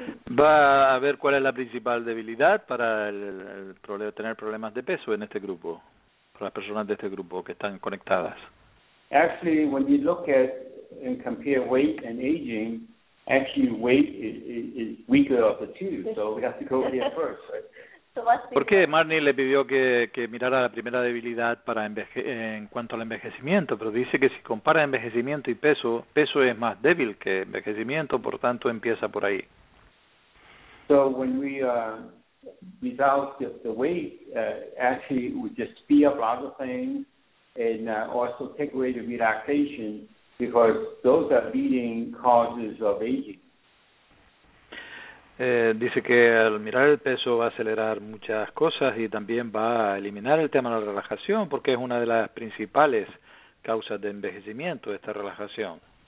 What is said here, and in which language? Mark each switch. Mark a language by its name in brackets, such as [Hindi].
[Spanish] Va a ver cuál es la principal debilidad para el problema, tener problemas de peso en este grupo, para las personas de este grupo que están conectadas. [English] Actually, when you look at and compare weight and aging, actually weight is weaker of the two, so we have to go here first, right? [Spanish] ¿Por qué Marnie le pidió que mirara la primera debilidad para en cuanto al envejecimiento? Pero dice que si compara envejecimiento y peso, peso es más débil que envejecimiento, por tanto empieza por ahí. [English] So when we without the weight, actually we just speed up a lot of things and also take away the relaxation because those are leading causes of aging. [Spanish] Dice que al mirar el peso va a acelerar muchas cosas y también va a eliminar el tema de la relajación porque es una de las principales causas de envejecimiento, esta relajación.